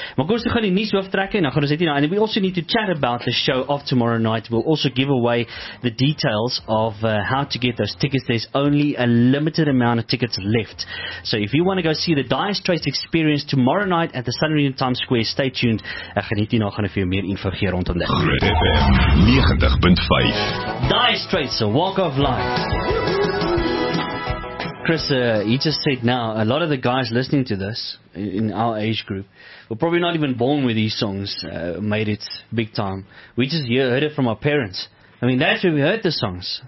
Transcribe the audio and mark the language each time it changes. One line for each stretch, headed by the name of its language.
Afrikaans: Maar kom, ons gaan die nuus hoofdrek en dan gaan ons net nou,
English: and we also need to chat about the show of tomorrow night. We'll also give away the details of how to get those tickets. There's only a limited amount of tickets left. So if you want to go see the Dire Straits Experience tomorrow night at the Sun Arena Times Square, stay tuned.
Afrikaans: Ek gaan net nou gaan vir jou meer info gee rondom dit. Groot FM 90.5.
English: Dire Straits, a walk of life. Chris, he just said now, a lot of the guys listening to this in our age group were probably not even born with these songs, made it big time. We just heard it from our parents. I mean, that's where we heard the songs.